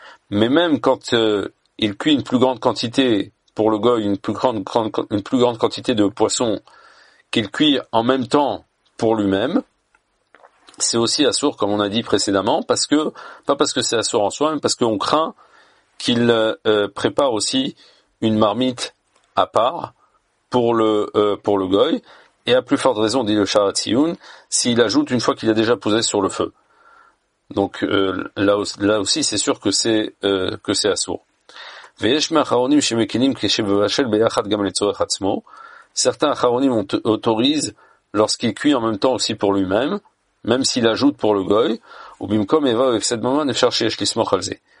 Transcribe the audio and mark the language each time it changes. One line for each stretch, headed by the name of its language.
French: Mais même quand il cuit une plus grande quantité pour le goy, une plus grande quantité de poisson qu'il cuit en même temps pour lui-même, c'est aussi assour, comme on a dit précédemment, parce que, pas parce que c'est assour en soi, mais parce qu'on craint qu'il prépare aussi une marmite à part pour le goy, et à plus forte raison, dit le Shara Tzion, s'il ajoute une fois qu'il a déjà posé sur le feu. Donc là aussi, c'est sûr que c'est assour.
Hebrew: ויש מאחרונים שמקינים כשבבשל ביחד גם לצורך עצמו.
French: Certains אחרונים autorisent lorsqu'il cuit en même temps aussi pour lui-même, même s'il ajoute pour le goy, ou
Hebrew: במקום איבה או הפסד ממון אפשר שיש לסמוך על זה.